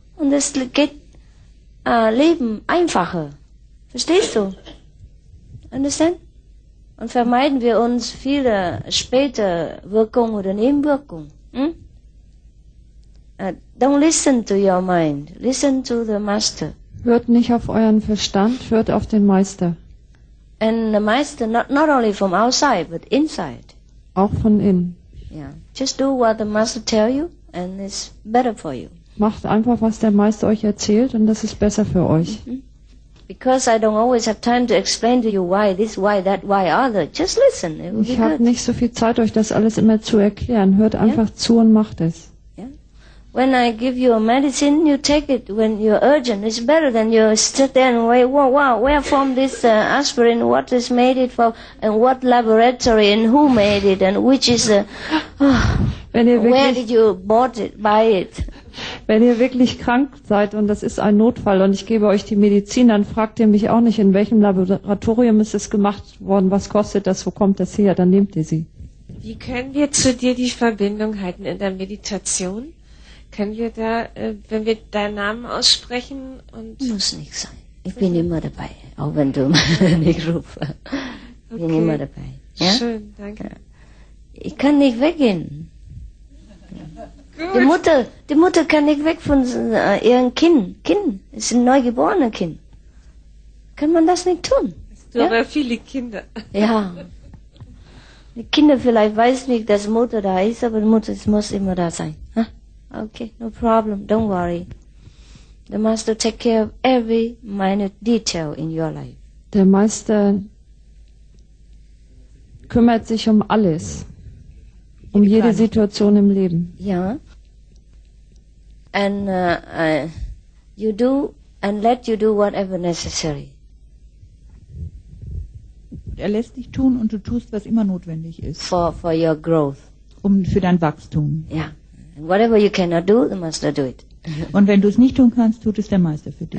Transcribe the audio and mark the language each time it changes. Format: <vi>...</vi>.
<de>Und es geht Leben einfacher. Verstehst du?</de> <en>Understand?</en> <de>Und vermeiden wir uns viele späte Wirkungen oder Nebenwirkungen.</de> <en>Hm? Don't listen to your mind. Listen to the master.</en> <de>Hört nicht auf euren Verstand, hört auf den Meister.</de> <en>And the master, not only from outside, but inside.</en> <de>Auch von innen.</de> <en>Yeah. Just do what the master tell you, and it's better for you.</en> <de>Macht einfach, was der Meister euch erzählt, und das ist besser für euch. Mm-hmm.</de> <en>Because I don't always have time to explain to you why this, why that, why other. Just listen. It will</en> <de>be ich habe nicht so viel Zeit, euch das alles immer zu erklären. Hört einfach zu und macht es.</de> <en>Yeah. When I give you a medicine, you take it when you're urgent. It's better than you sit there and wait. Wow, where from this aspirin? What is made it for? And what laboratory? And who made it? And which is where did you buy it?</en> <de>Wenn ihr wirklich krank seid und das ist ein Notfall und ich gebe euch die Medizin, dann fragt ihr mich auch nicht, in welchem Laboratorium ist es gemacht worden, was kostet das, wo kommt das her, dann nehmt ihr sie. Wie können wir zu dir die Verbindung halten in der Meditation? Können wir da, wenn wir deinen Namen aussprechen und... Muss nicht sein. Ich bin immer dabei, auch wenn du mich rufst. Okay. Bin immer dabei. Ja? Schön, danke. Ich kann nicht weggehen. Gut. Die Mutter kann nicht weg von ihrem Kind. Kind ist ein neugeborener Kind. Kann man das nicht tun? Du hast ja viele Kinder. Ja. Die Kinder vielleicht weiß nicht, dass Mutter da ist, aber die Mutter muss immer da sein.</de> <en>Huh? Okay, no problem. Don't worry. The master take care of every minute detail in your life.</en> <de>Der Meister kümmert sich um alles. Um jede Situation im Leben. Ja.</de> <en>And you do and let you do whatever necessary.</en> <de>Er lässt dich tun und du tust, was immer notwendig ist.</de> <en>For your growth.</en> <de>Für dein Wachstum. Ja.</de> <en>And whatever you cannot do, the master do it.</en> <de>Und wenn du es nicht tun kannst, tut es der Meister für dich.</de>